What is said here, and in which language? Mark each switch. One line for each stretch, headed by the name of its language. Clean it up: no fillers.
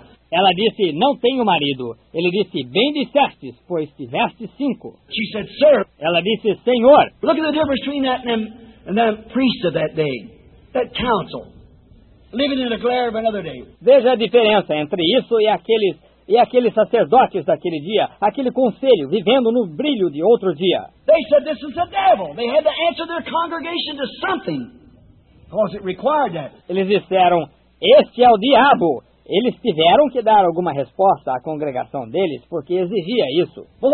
Portuguese: Ela disse, não tenho marido. Ele disse, bem dissestes, pois tiveste 5.
English: She said, sir.
Portuguese: Ela disse, Senhor.
English: Look at the difference between that and the priest of that day. That council. Living in the glare of another day.
Portuguese: Veja a diferença entre isso e aqueles sacerdotes daquele dia. Aquele conselho, vivendo no brilho de outro dia.
English: They said, this is the devil. They had to answer their congregation to something. Because it required that.
Portuguese: Eles disseram, este é o diabo. Eles tiveram que dar alguma resposta à congregação deles, porque exigia isso.